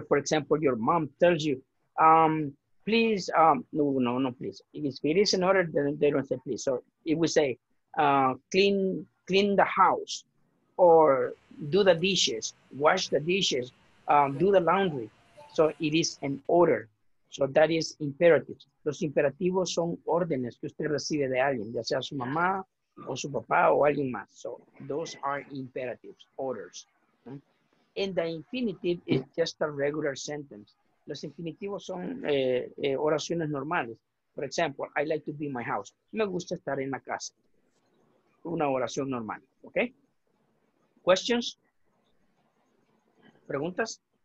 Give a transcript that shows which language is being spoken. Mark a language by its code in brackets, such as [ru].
[en] For example, your mom tells you, please, no, please. If it is an order, then they don't say please. So it would say, clean the house, or do the dishes, wash the dishes, do the laundry. So it is an order. So that is imperatives. [es] Los imperativos son órdenes que usted recibe de alguien, ya sea su mamá o su papá o alguien más. [en] So those are imperatives, orders. And the infinitive is just a regular sentence. [es] Los infinitivos son oraciones normales. [en] For example, I like to be in my house. [es] Me gusta estar en la casa. Una oración normal, okay? Questions? Preguntas?